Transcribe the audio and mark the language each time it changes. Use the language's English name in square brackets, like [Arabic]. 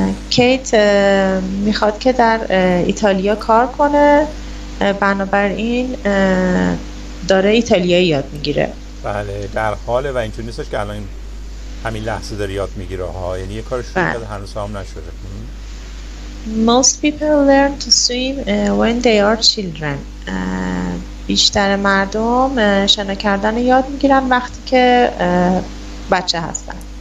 [Persian] Kate میخواد که در ایتالیا کار کنه، بنابراین داره ایتالیایی یاد میگیره. بله، در حاله و اینجور نیستش که الان همین لحظه داره یاد میگیره ها، یعنی یه کار شروع کرده هنوز هم نشده. [English] Most people learn to swim when they are children. [Persian] بیشتر مردم شنا کردن رو یاد میگیرن وقتی که بچه هستن.